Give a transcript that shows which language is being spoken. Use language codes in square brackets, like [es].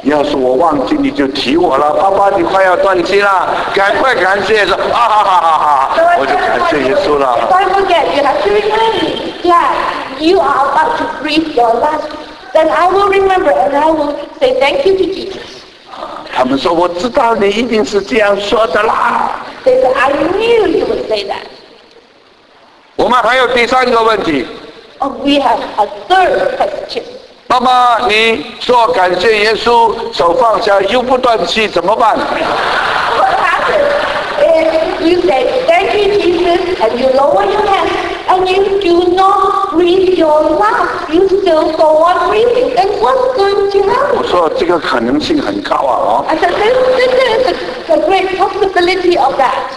[zh] 要是我忘记，你就提我了。爸爸，你快要断气了，赶快感谢耶稣。我就感谢耶稣了。 [en] If I forget, you have to remind me. Dad, you are about to breathe your last. Then I will remember and I will say thank you to Jesus. [zh] 他们说我知道你一定是这样说的啦。 [en] They said, I knew you would say that. [zh] 我们还有第三个问题。 [en] Oh, we have a third question. [zh] 妈妈，你说感谢耶稣，手放下又不断气，怎么办 [en] ？What happens if you say thank you Jesus and you lower your hands and you do not breathe your last, you still go on breathing? Then what's going to happen? [zh] 我说这个可能性很高啊，哦。 [en] I said this is a great possibility of that.